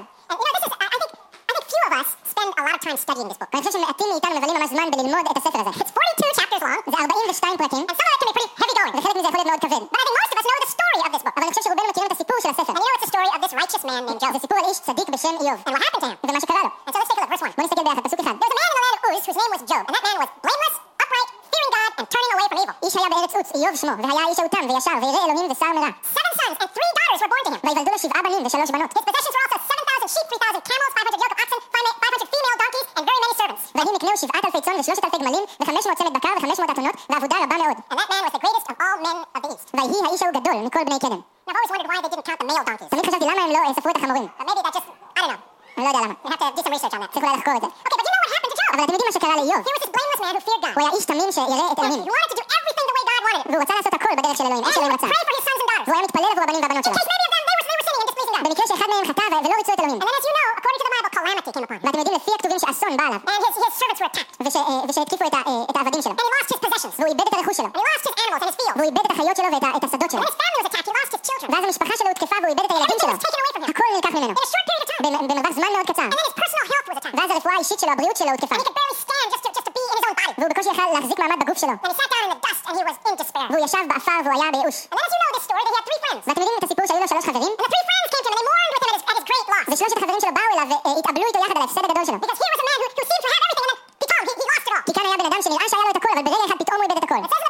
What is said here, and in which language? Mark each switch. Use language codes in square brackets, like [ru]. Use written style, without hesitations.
[en] And you know, this is, I think few of us spend a lot of time studying this book. [he] אני חושב שמעטים מאיתנו מבלים ממש זמן בללמוד את הספר הזה. [en] It's 42 chapters long. [he] זה 42 פרקים. [en] And some of that can be pretty heavy going. [he] וחלק מזה יכול להיות מאוד כבד. [en] But I think most of us know the story of this book. [he] אבל אני חושב שרובנו מכירים את הסיפור של הספר. [en] And you know it's the story of this righteous man named Job. [he] זה סיפור על איש צדיק בשם איוב. [en] And what happened to him? [he] ומה שקרה לו. [en] And so let's take a look, verse 1. [he] בוא נסתכל ביחד, פסוק 1. [en] There was a man in the land of Uz whose name was Job. And that man was blameless, upright, fearing God and turning away from evil. [he] איש היה בארץ עוץ, איוב שמו, והיה איש אותם וישר, ויראה אלוהים וסר מרע. [en] Seven sons and three daughters were born to him. [he] וילדו לו שבעה בנים ושלוש בנות. [en] His possessions were also 7,000 sheep, 3,000 camels, 500 yoke of oxen, [he] נקנו 7,000 צאן ו-3,000 גמלים ו-500 צמד בקר ו-500 אתונות ועבודה רבה מאוד. [en] And that man was the greatest of all men of the East. [he] והיה האיש ההוא גדול מכל בני כנען. [en] I've always wondered why they didn't count the male donkeys. [he] תמיד חשבתי למה הם לא ספרו את החמורים. [en] But maybe that just, I don't know. [he] אני לא יודע למה. [en] I have to do some research on that. [he] צריך אולי לחקור את זה. [en] Okay, but you know what happened to Job? [he] אבל אתם יודעים מה שקרה לאיוב. [en] He was this blameless man who feared God. [he] הוא היה איש תמים שירא את אלוהים. [en] He wanted to do everything the way God wanted. [he] והוא רצה לעשות הכל בדרך של אלוהים, איך שאלוהים רצה. [en] And he would pray for his sons and daughters. [he] והוא היה מתפלל עבור הבנים והבנות שלו. [en] In case many of them, they were sinning and displeasing God. [he] במקרה שאחד מהם חטא ולא ריצו את אלוהים. [en] And then, as you know, according to the Bible, calamity came upon him. [he] ואתם יודעים לפי הכתובים שאסון בא עליו. [en] And his servants were attacked. [he] ושהתקיפו את העבדים שלו. [en] And he lost his possessions. [he] והוא איבד את הרכוש שלו. [en] And he lost his animals and his field. [he] והוא איבד את החיות שלו ואת השדות שלו. [en] And his family was attacked. He lost his children. [he] ואז המשפחה שלו הותקפה והוא איבד את הילדים שלו. הכל נלקח ממנו. [en] In a short period of time. [he] במרווח זמן מאוד קצר. [en] And then his personal health was attacked. [he] ואז הרפואה האישית שלו, הבריאות שלו הותקפה. [en] And he could barely stand just to be in his own body. [he] והוא בקושי יכל להחזיק מעמד בגוף שלו. [en] And he sat down in the dust and he was in despair. [he] והוא ישב באפר והוא היה בייאוש. [en] And then, as you know this story, that he had three friends. [he] ואתם יודעים את הסיפור שהיו לו שלוש חברים? [en] And the three friends came to him and mourned with him at his great loss. [he] ושלושת החברים שלו באו אליו והתאבלו איתו יחד על ההפסד הגדול שלו. [en] Because here was a man who seemed to have everything and then pitom, he lost it all. [he] כי כאן היה בן אדם שנראה שהיה לו את הכל, אבל ברגע אחד פתאום הוא איבד את הכל.